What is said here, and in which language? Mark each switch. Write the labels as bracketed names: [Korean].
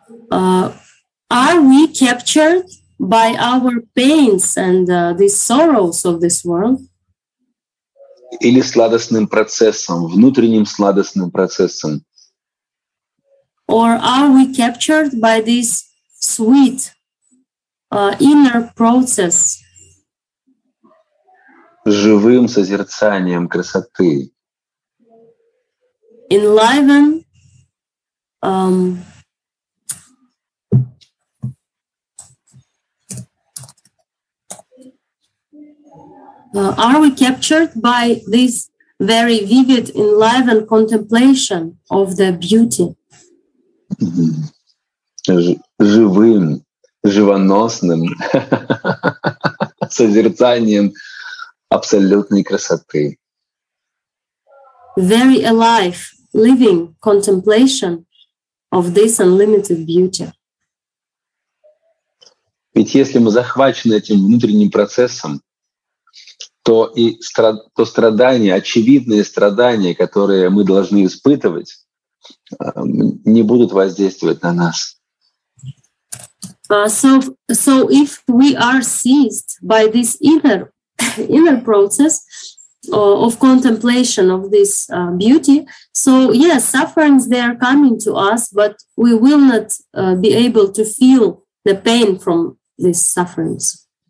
[English] Are we captured by our pains and the sorrows of this world? [Russian] Или сладостным процессом, внутренним сладостным процессом? [English] Or are we captured by this sweet inner process? [Russian] Живым созерцанием красоты. [English] Enliven. Are we captured by this very vivid, enlivened contemplation of the beauty? [Russian] Живым, живоносным созерцанием абсолютной красоты. [English] Very alive, living contemplation of this unlimited beauty. [Russian] Ведь если мы захвачены этим внутренним процессом, то страдания, очевидные страдания, которые мы должны испытывать, не будут воздействовать на нас. [English] So if we are seized by this inner process, of contemplation of this beauty. So yes, sufferings, they are coming to us, but we will not be able to feel the pain from these sufferings.